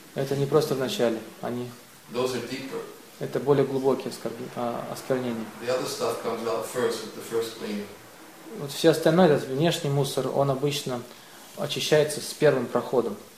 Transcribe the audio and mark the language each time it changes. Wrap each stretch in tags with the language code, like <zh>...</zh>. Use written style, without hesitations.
<ru>Это не просто в начале, они.</ru> <en>Those are deeper.</en> <ru>Это более глубокие осквернения.</ru> <en>The other stuff comes out first with the first cleaning.</en> <ru>Вот все остальное, этот внешний мусор, он обычно очищается с первым проходом.</ru>